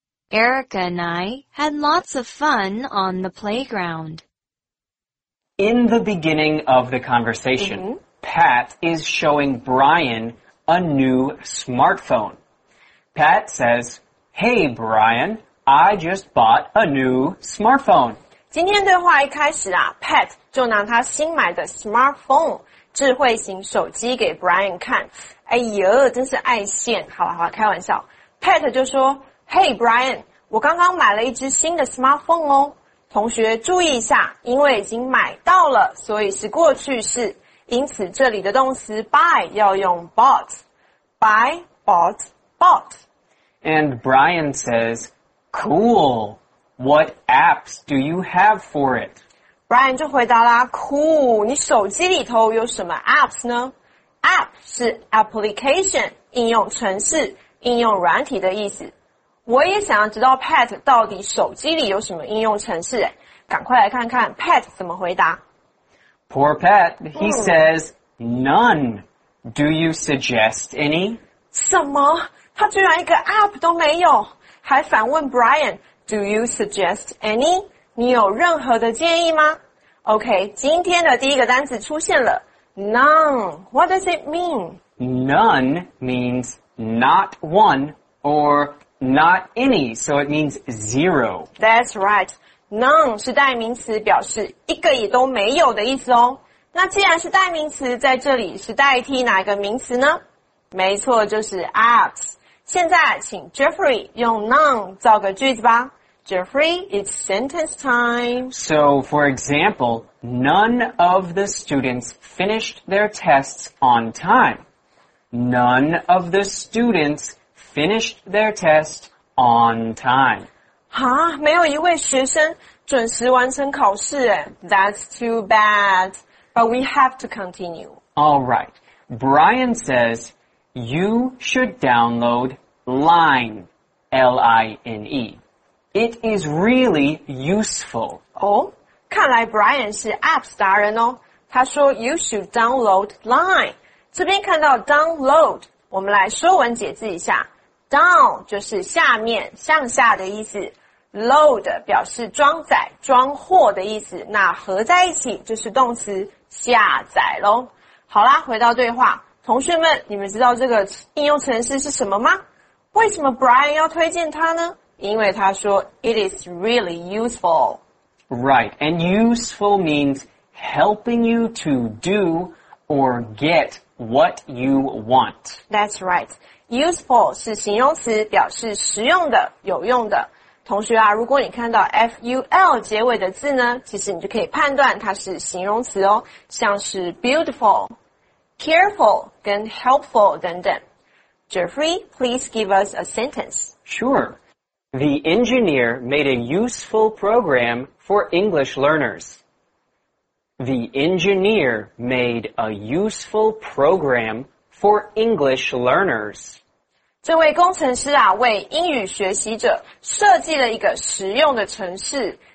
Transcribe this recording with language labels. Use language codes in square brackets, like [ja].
[en] Erica and I had lots of fun on the playground. In the beginning of the conversation, mm-hmm. Pat is showing Brian a new smartphone. Pat says, Hey, Brian, I just bought a new smartphone. [zh] 今天对话一开始啊 ,Pat 就拿他新买的 smartphone, 智慧型手机给 Brian 看。哎呀真是爱现。好啦好啦开玩笑。 Pat 就说 ,Hey, Brian, 我刚刚买了一只新的 smartphone 哦。同学注意一下因为已经买到了所以是过去式。因此这里的动词 buy 要用 bought。 [en] buy, bought, bought. And Brian says, cool. What apps do you have for it? [zh] Brian 就回答啦 ,cool, 你手机里头有什么 apps 呢? App 是 application, 应用程式,应用软体的意思。我也想要知道 Pat 到底手机里有什么应用程式。赶快来看看 Pat 怎么回答。 [en] Poor Pat, he says, none. Do you suggest any? [zh] 什么? 他居然一个 app 都没有? 还反问 Brian, [en] Do you suggest any? [zh] 你有任何的建议吗? OK, 今天的第一个单词出现了。 [en] None, what does it mean? None means not one or not any, so it means zero. That's right. [zh] None 是代名词表示一个也都没有的意思哦。那既然是代名词在这里是代替哪一个名词呢? 没错就是 apps。现在请 Jeffrey 用 none 造个句子吧。 [en] Jeffrey, it's sentence time. So, for example, none of the students finished their tests on time. None of the students finished their test on time. [zh] 哈，没有一位学生准时完成考试耶。 [en] That's too bad. But we have to continue. All right. Brian says, you should download Line, L-I-N-E. It is really useful. [zh] 哦，看来 Brian 是 apps 达人哦。他说 [en] you should download Line. [zh] 这边看到 download, 我们来说文解字一下。 Down 就是下面向下的意思。Load 表示装载装货的意思，那合在一起就是动词下载咯。好啦，回到对话，同学们，你们知道这个应用程式是什么吗？为什么 Brian 要推荐它呢？因为他说 [en] It is really useful. Right, and useful means helping you to do or get what you want. That's right. [zh] Useful 是形容词，表示实用的有用的。同学啊，如果你看到 ful 结尾的字呢，其实你就可以判断它是形容词哦，像是 beautiful, careful 跟 helpful 等等。 [en] Jeffrey, please give us a sentence. Sure. The engineer made a useful program for English learners. The engineer made a useful program for English learners. [zh] 这位工程师啊，为英语学习者设计了一个实用的程式。